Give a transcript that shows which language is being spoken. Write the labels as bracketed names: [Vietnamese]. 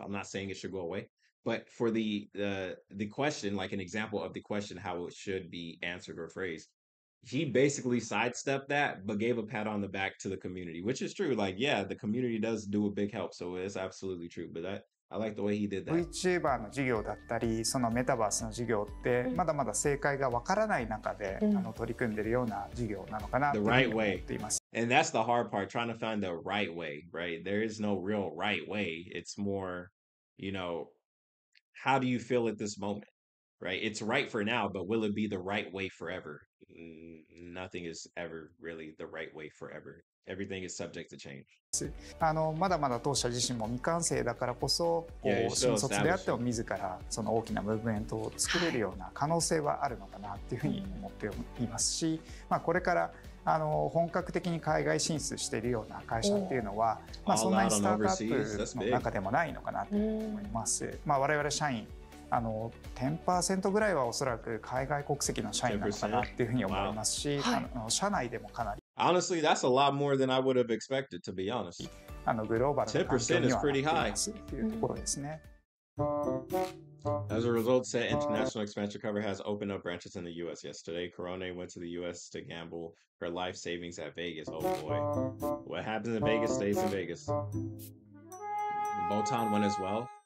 [English] I'm not saying it should go away. But for the question, like an example of the question, how it should be answered or phrased, he basically sidestepped that, but gave a pat on the back to the community, which is true. Like, yeah, the community does do a big help. So it's absolutely true. But that,I like the way he did that. [Japanese] VTuber の授業だったり、そのメタバースの授業ってまだまだ正解がわからない中で、取り組んでるような授業なのかなと思っています。 [English] And that's the hard part, trying to find the right way, right? There is no real right way. It's more, how do you feel at this moment, right? It's right for now, but will it be the right way forever? Nothing is ever really the right way forever. Everything is subject to change. [Japanese] まだまだ当社自身も未完成だからこそ、こう新卒であっても自らその大きなムーブメントを作れるような可能性はあるのかなっていうふうに思っていますし、これから本格的に海外進出しているような会社っていうのは、そんなにスタートアップの中でもないのかなと思います。我々社員10% ぐらいはおそらく海外国籍の社員なのかなっていうふうに思いますし、社内でもかなり。 [English] Honestly, that's a lot more than I would have expected, to be honest. [Japanese] グローバルな環境にはなっていますっていうところですね。 [English] As a result, said international expansion cover has opened up branches in the U.S. Yesterday, Corona went to the U.S. to gamble her life savings at Vegas. Oh boy. What happens in Vegas stays in Vegas. Botan went as well.